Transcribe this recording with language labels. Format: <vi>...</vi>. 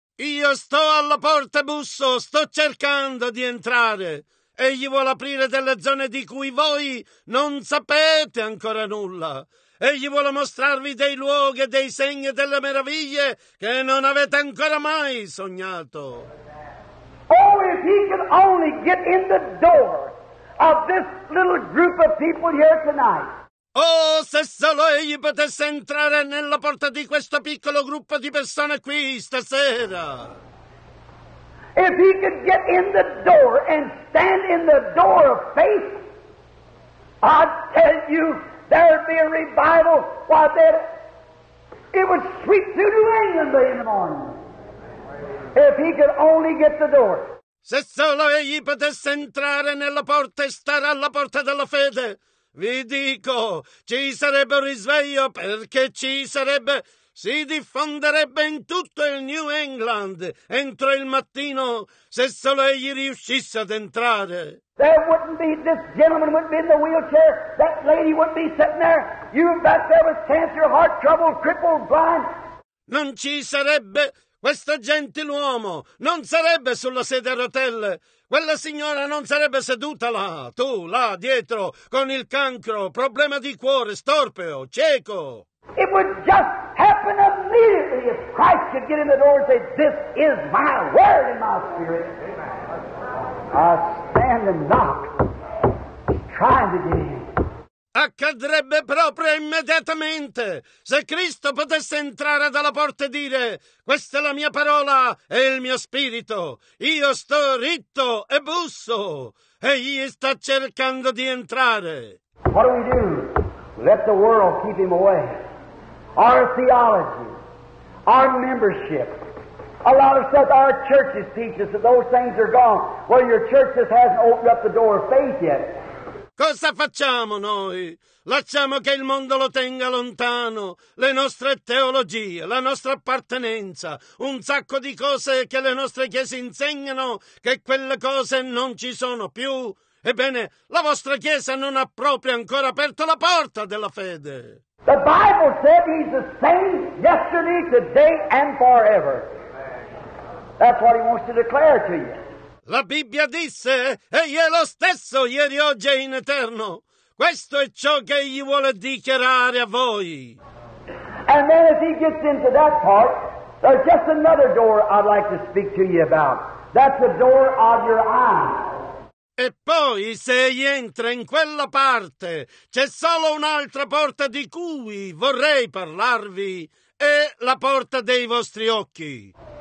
<it>Io sto alla porta e busso, sto cercando di entrare. Egli vuole aprire delle zone di cui voi non sapete ancora nulla. Egli vuole mostrarvi dei luoghi, dei segni e delle meraviglie che non avete ancora mai sognato.</it> <en>Oh, if he can only get in the door of this little group of people here tonight.</en> <it>Oh, se solo egli potesse entrare nella porta di questo piccolo gruppo di persone qui stasera.</it> <en>If he could get in the door and stand in the door of faith, I tell you, there'd be a revival. Why, then it would sweep through New England day in the morning. If he could only get the door.</en> <it>Se solo egli potesse entrare nella porta e stare alla porta della fede, vi dico, ci sarebbe un risveglio perché ci sarebbe. si diffonderebbe in tutto il New England entro il mattino se solo egli riuscisse ad entrare.</it> <en>There wouldn't be, this gentleman wouldn't be in the wheelchair, that lady wouldn't be sitting there, you got there with cancer, heart trouble, crippled, blind.</en> <it>Non ci sarebbe questo gentiluomo, non sarebbe sulla sedia a rotelle. Quella signora non sarebbe seduta là, tu, là, dietro, con il cancro, problema di cuore, storpeo, cieco.</it> <en>It would just happen immediately if Christ could get in the door and say, this is my word in my spirit. I stand and knock, trying to get in.</en> <it>Accadrebbe proprio immediatamente se Cristo potesse entrare dalla porta e dire: questa è la mia parola e il mio spirito, io sto ritto e busso, e egli sta cercando di entrare.</it> <en>What do we do? Let the world keep him away. Our theology, our membership, a lot of stuff our churches teach us, that those things are gone. Well, your church just hasn't opened up the door of faith yet.</en> <it>Cosa facciamo noi? Lasciamo che il mondo lo tenga lontano, le nostre teologie, la nostra appartenenza, un sacco di cose che le nostre chiese insegnano, che quelle cose non ci sono più. Ebbene, la vostra chiesa non ha proprio ancora aperto la porta della fede.</it> <en>The Bible said he's the same yesterday, today and forever. That's what he wants to declare to you.</en> <it>La Bibbia disse, egli è lo stesso, ieri, oggi e in eterno. Questo è ciò che egli vuole dichiarare a voi.</it> <en>And then if he gets into that part, there's just another door I'd like to speak to you about. That's the door of your eyes.</en> <it>E poi, se egli entra in quella parte, c'è solo un'altra porta di cui vorrei parlarvi, è la porta dei vostri occhi.</it>